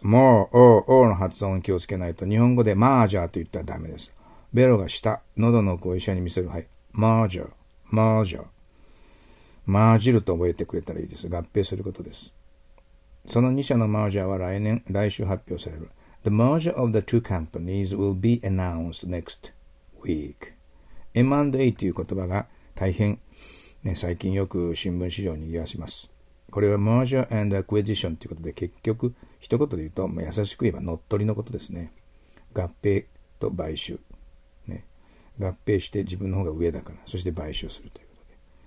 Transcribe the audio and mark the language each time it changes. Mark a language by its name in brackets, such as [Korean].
[Japanese] マー、オー、オーの発音気をつけないと、日本語でマージャーと言ったらダメです。ベロが下、喉の声を医者に見せる。はい。マージャー、マージャー。混じると覚えてくれたらいいです。合併することです。その2社のマージャーは来週発表される。 [English] The merger of the two companies will be announced next week. [Japanese] M&A という言葉が大変、ね、最近よく新聞市場に賑わします。これは [English] merger and acquisition [Japanese] ということで、結局、一言で言うと、優しく言えば乗っ取りのことですね。合併と買収、ね。合併して自分の方が上だから、そして買収するということで。